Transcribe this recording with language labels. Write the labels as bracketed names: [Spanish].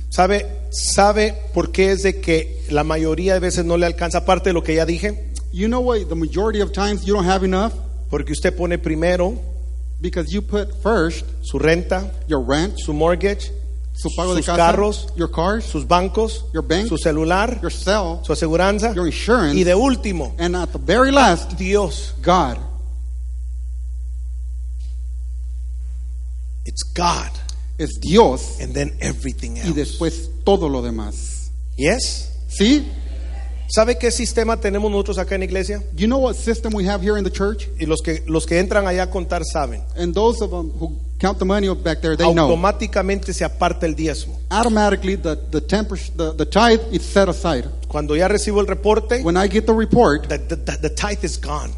[Spanish] ¿Sabe por qué es de que la mayoría de veces no le alcanza? Aparte de lo que ya dije. [English] You know why the majority of times you don't have enough? [Spanish] Porque usted pone primero. [English] Because you put first. [Spanish] Su renta. [English] Your rent. [Spanish] Su mortgage. Su pago sus de casa, carros, [English] your cars, [Spanish] sus bancos, [English] your bank, [Spanish] su celular, [English] your cell, [Spanish] su aseguranza, [English] your insurance, [Spanish] y de último, [English] and at the very last, [Spanish] Dios, [English] God. It's God. [Spanish] Es Dios, [English] and then everything else. [Spanish] Y después todo lo demás. [English] Yes? [Spanish] ¿Sí? ¿Sabe qué sistema tenemos nosotros acá en la iglesia? [English] You know what system we have here in the church? [Spanish] Y los que entran allá a contar saben. [English] And those of them who count the money back there, they [Spanish] automáticamente Automáticamente se aparta el diezmo. [English] Automatically the tithe is set aside. [Spanish] Cuando ya recibo el reporte, [English] when I get the report, the tithe is gone.